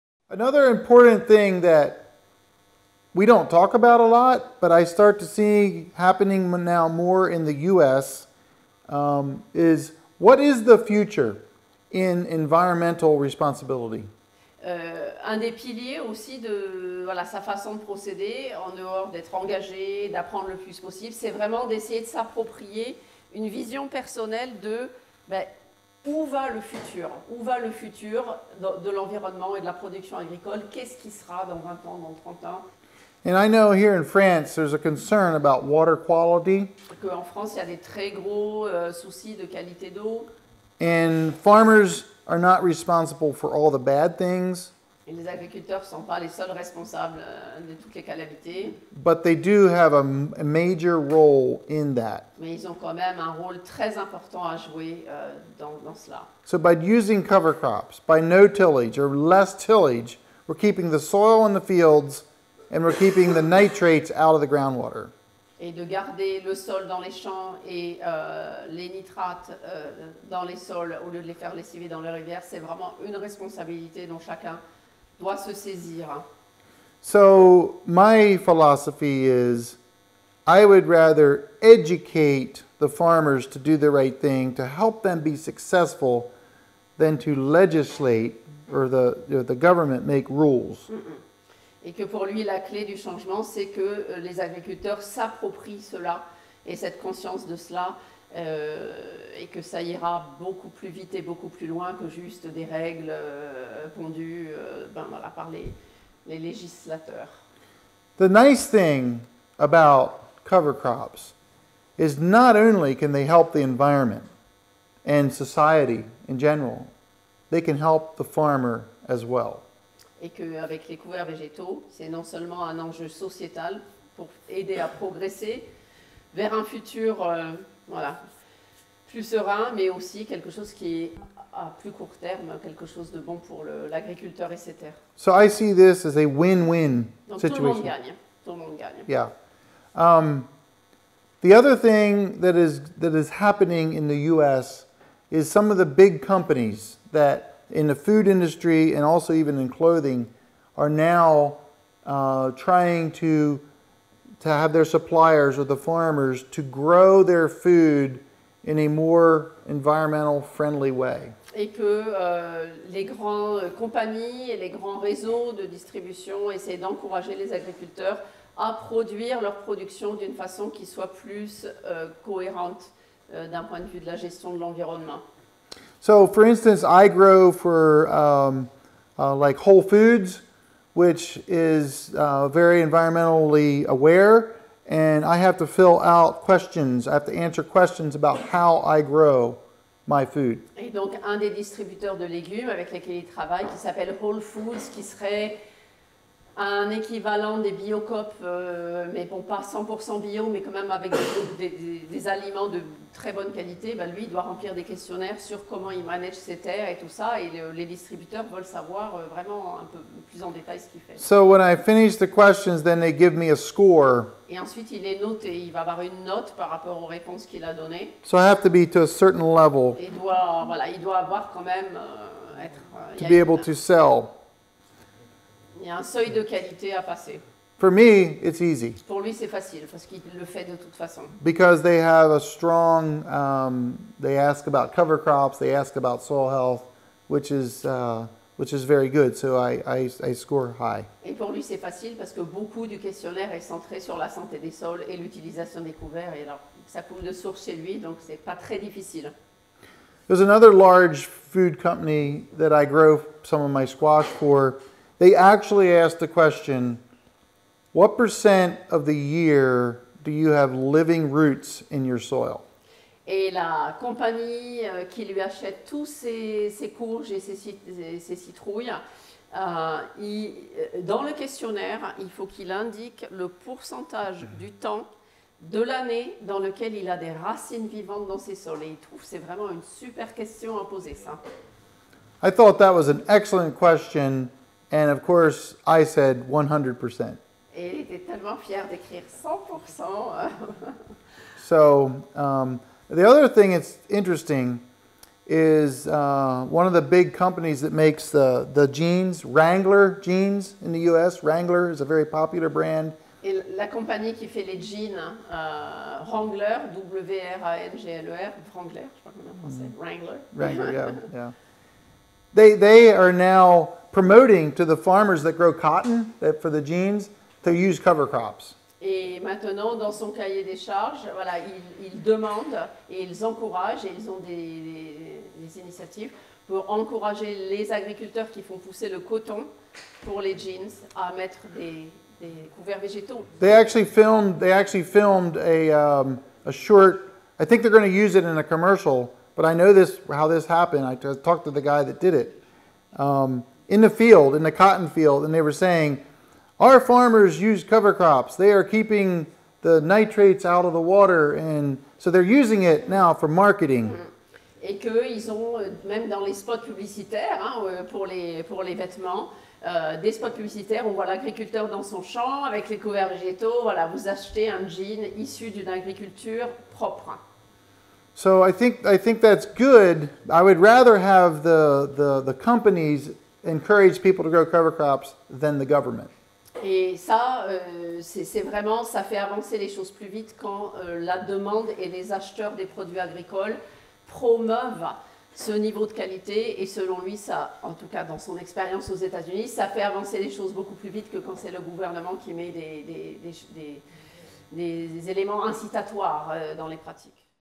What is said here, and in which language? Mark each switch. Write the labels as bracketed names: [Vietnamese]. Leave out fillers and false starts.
[English] Another important thing that we don't talk about a lot, but I start to see happening now more in the US, is what is the future in environmental responsibility? [French] Un des piliers aussi de sa façon de procéder, en dehors d'être engagé, d'apprendre le plus possible, c'est vraiment d'essayer de s'approprier une vision personnelle de où va le futur? Où va le futur de l'environnement et de la production agricole? Qu'est-ce qui sera dans 20 ans, dans 30 ans? [English] And I know here in France, there's a concern about water quality. [French] En France, il y a des très gros soucis de qualité d'eau. [English] And farmers are not responsible for all the bad things. [French] Et les agriculteurs sont pas les seuls responsables de toutes les calamités. [English] But they do have a major role in that. [French] Mais ils ont quand même un rôle très important à jouer dans cela. [English] So by using cover crops, by no tillage or less tillage, we're keeping the soil in the fields and we're keeping the nitrates out of the groundwater. [French] Et de garder le sol dans les champs et les nitrates dans les sols au lieu de les faire lessiver dans les rivières, c'est vraiment une responsabilité dont chacun doit se saisir. [English] So my philosophy is, I would rather educate the farmers to do the right thing, to help them be successful, than to legislate or the government make rules. Mm-mm. [French] Et que pour lui, la clé du changement, c'est que les agriculteurs s'approprient cela et cette conscience de cela, et que ça ira beaucoup plus vite et beaucoup plus loin que juste des règles pondues par les législateurs. [English] The nice thing about cover crops is not only can they help the environment and society in general, they can help the farmer as well. [French] Et qu'avec les couverts végétaux, c'est non seulement un enjeu sociétal pour aider à progresser vers un futur plus serein, mais aussi quelque chose qui est à plus court terme, quelque chose de bon pour l'agriculteur et ses terres. [English] So I see this as a win-win [French] situation. Donc tout le monde gagne. Tout le monde gagne. [English] Yeah. The other thing that is happening in the U.S. is some of the big companies that in the food industry and also even in clothing are now trying to have their suppliers or the farmers to grow their food in a more environmental friendly way. [French] Et que les grandes compagnies et les grands réseaux de distribution essaient d'encourager les agriculteurs à produire leur production d'une façon qui soit plus cohérente d'un point de vue de la gestion de l'environnement. [English] So, for instance, I grow for like Whole Foods, which is very environmentally aware, and I have to fill out questions. I have to answer questions about how I grow my food. [French] Et donc, un des distributeurs de légumes avec lesquels il travaille, qui s'appelle Whole Foods, qui serait un équivalent des biocoop, mais bon, pas 100% bio, mais quand même avec des aliments de très bonne qualité, lui, il doit remplir des questionnaires sur comment il manage ses terres et tout ça, et les distributeurs veulent savoir vraiment un peu plus en détail ce qu'il fait. [English] So when I finish the questions, then they give me a score. [French] Et ensuite, il est noté, il va avoir une note par rapport aux réponses qu'il a données. [English] So I have to be to a certain level. [French] Il doit avoir quand même être... [English] To be able to sell. [French] Il y a un seuil de qualité à passer. [English] For me, it's easy. [French] Pour lui, c'est facile parce qu'il le fait de toute façon. [English] Because they have a strong, they ask about cover crops, they ask about soil health, which is very good. So I score high. [French] Et pour lui, c'est facile parce que beaucoup du questionnaire est centré sur la santé des sols et l'utilisation des couverts. Et alors, ça coule de source chez lui, donc c'est pas très difficile. [English] There's another large food company that I grow some of my squash for. They actually asked the question, what percent of the year do you have living roots in your soil? [French] Et la compagnie qui lui achète tous ses courges et ses citrouilles, dans le questionnaire, il faut qu'il indique le pourcentage du temps de l'année dans lequel il a des racines vivantes dans ses sols. Et il trouve que c'est vraiment une super question à poser, ça. [English] I thought that was an excellent question. And of course, I said 100%. [French] Et il était tellement fier d'écrire 100%. [English] So, the other thing that's interesting is one of the big companies that makes the jeans, Wrangler jeans in the US. Wrangler is a very popular brand. [French] Et la compagnie qui fait les jeans, Wrangler, W-R-A-N-G-L-E-R, Wrangler, je crois qu'on est en français, Wrangler. [English] Wrangler, yeah, yeah. They are now promoting to the farmers that grow cotton that for the jeans to use cover crops. [French] Et maintenant, dans son cahier des charges, voilà, ils demandent et ils encouragent, et ils ont des initiatives pour encourager les agriculteurs qui font pousser le coton pour les jeans à mettre des couverts végétaux. [English] They actually filmed a short. I think they're going to use it in a commercial, but I know this how this happened. I talked to the guy that did it in the field, in the cotton field, and they were saying, "Our farmers use cover crops. They are keeping the nitrates out of the water, and so they're using it now for marketing." Mm-hmm. [French] Et qu'ils ont même dans les spots publicitaires hein, pour les vêtements. Des spots publicitaires, on voit l'agriculteur dans son champ avec les couverts végétaux. Voilà, vous achetez un jean issu d'une agriculture propre. [English] So I think that's good. I would rather have the companies encourage people to grow cover crops than the government. [French] Et ça, c'est vraiment, ça fait avancer les choses plus vite quand la demande et les acheteurs des produits agricoles promeuvent ce niveau de qualité, et selon lui, ça, en tout cas dans son expérience aux États-Unis, ça fait avancer les choses beaucoup plus vite que quand c'est le gouvernement qui met des éléments incitatoires dans les pratiques.